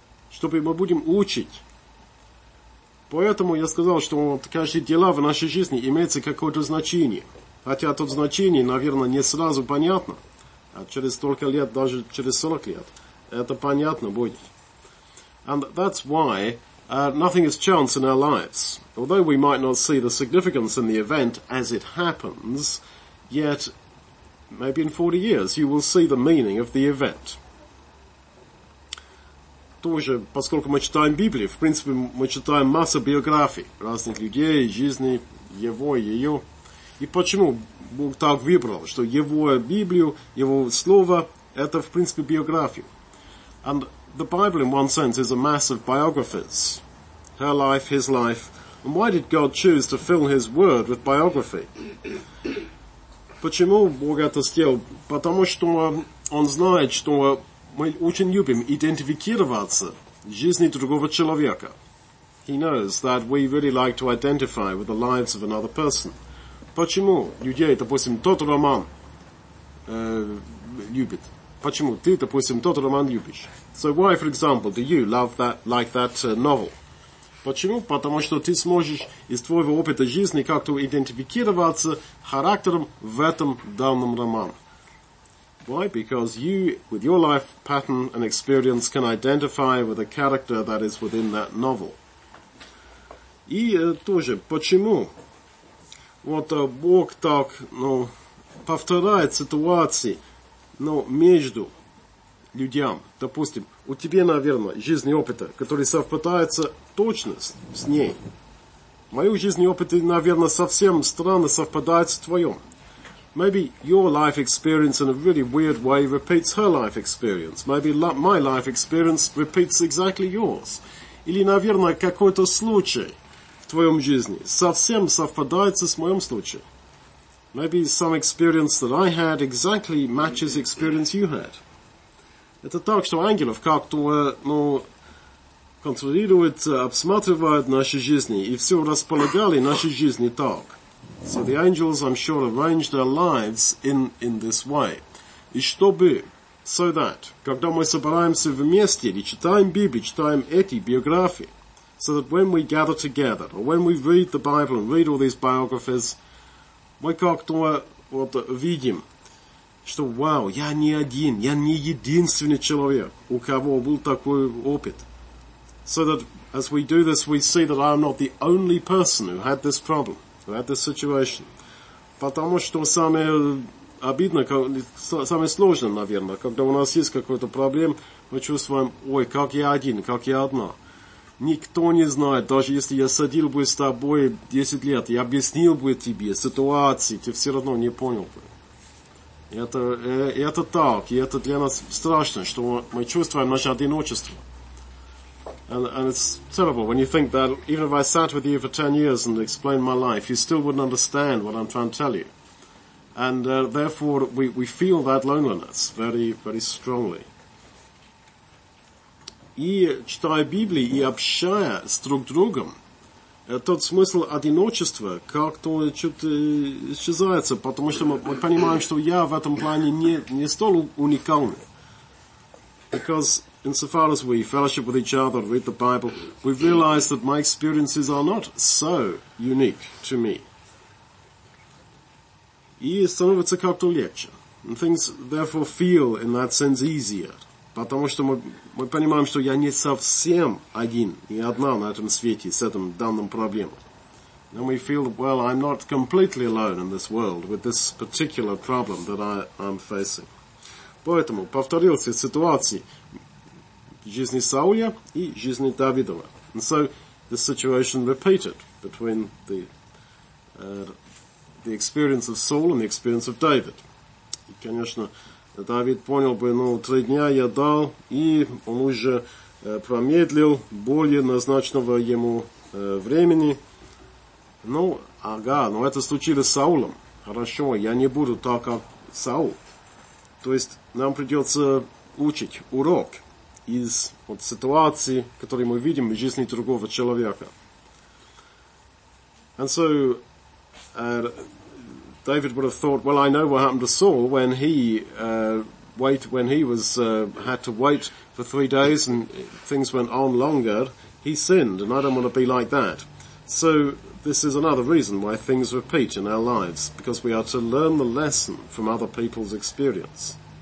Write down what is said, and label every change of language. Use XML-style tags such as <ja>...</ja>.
<ru>Чтобы мы будем учить. Поэтому я сказал, что вот каждые дела в нашей жизни имеются какое-то значение. Хотя тут значение, наверное, не сразу понятно. А через столько лет, даже через 40 лет, это понятно будет.</ru> <en>And that's why nothing is chance in our lives. Although we might not see the significance in the event as it happens, yet maybe in 40 years you will see the meaning of the event.</en> <ru>Тоже, поскольку мы читаем Библию, в принципе, мы читаем массу биографий разных людей, жизни, его и ее. И почему Бог так выбрал, что его Библию, его слово, это, в принципе, биография.</ru> <en>And the Bible, in one sense, is a mass of biographies. Her life, his life. And why did God choose to fill his word with biography?</en> <ru>Почему Бог это сделал? Потому что он знает, что мы очень любим идентифицироваться в жизни другого человека.</ru> <en>He knows that we really like to identify with the lives of another person.</en> <ru>Почему людей, допустим, тот роман любит? Почему ты, допустим, тот роман любишь?</ru> <en>So why, for example, do you love that, like that novel?</en> <ru>Почему? Потому что ты сможешь из твоего опыта жизни как-то идентифицироваться характером в этом данном романе.</ru> <en>Why? Because you, with your life pattern and experience, can identify with a character that is within that novel.</en> <ru>И тоже, почему? Вот Бог так, повторяет ситуации, между людям. Допустим, у тебя, наверное, жизненный опыт, который совпадает точно с ней. Мой жизненный опыт, наверное, совсем странно совпадает с твоим.</ru> <en>Maybe your life experience in a really weird way repeats her life experience. Maybe my life experience repeats exactly yours.</en> <ru>Или, наверное, какой-то случай в твоем жизни совсем совпадает с моим случаем.</ru> <en>Maybe some experience that I had exactly matches experience you had.</en> <ru>Это так, что ангелов как-то, контролирует, обсматривает наши жизни и все располагали наши жизни так.</ru> <en>So the angels, I'm sure, arrange their lives in this way.</en> <ru>И чтобы,</ru> <en>so that,</en> <ru>когда мы собираемся вместе и читаем Библию, читаем эти биографии,</ru> <en>so that when we gather together, or when we read the Bible and read all these biographies,</en> <ru>мы как-то вот видим, что, вау, я не один, я не единственный человек, у кого был такой опыт.</ru> <en>So that, as we do this, we see that I'm not the only person who had this problem. At this situation.</en> <ru>Потому что самое обидное, самое сложное, наверное, когда у нас есть какой-то проблем, мы чувствуем, ой, как я один, как я одна. Никто не знает, даже если я садил бы с тобой 10 лет и объяснил бы тебе ситуации, ты все равно не понял бы. Это так, и это для нас страшно, что мы чувствуем наше одиночество.</ru> <en>And it's terrible when you think that even if I sat with you for 10 years and explained my life, you still wouldn't understand what I'm trying to tell you. And therefore, we feel that loneliness very, very strongly.</en> <ru>И читая Библию и общаясь друг с другом, тот смысл одиночества как-то чуть исчезается, потому что мы понимаем, что я в этом плане не столь уникальный.</ru> <en>Because insofar as we fellowship with each other, read the Bible, we realize that my experiences are not so unique to me.</en> <ru>И становится как-то легче.</ru> <en>And things therefore feel in that sense easier.</en> <ru>Потому что мы понимаем, что я не совсем один, не одна на этом свете с этим данным проблемой.</ru> <en>And we feel, well, I'm not completely alone in this world with this particular problem that I'm facing.</en> <ru>Поэтому повторился ситуация в жизни Сауля и жизни Давидова.</ru> <en>And so the situation repeated between the experience of Saul and the experience of David.</en> <ru>И, конечно, Давид понял бы, ну, 3 дня я дал, и он уже промедлил более назначенного ему времени. Ну, ага, но это случилось с Саулом. Хорошо, я не буду так, как Саул. То есть нам придется учить урок из вот, ситуации, которую мы видим в жизни другого человека.</ru> <en>And so, David would have thought, well, I know what happened to Saul when he had to wait for 3 days and things went on longer. He sinned, and I don't want to be like that. So this is another reason why things repeat in our lives, because we are to learn the lesson from other people's experience.</en>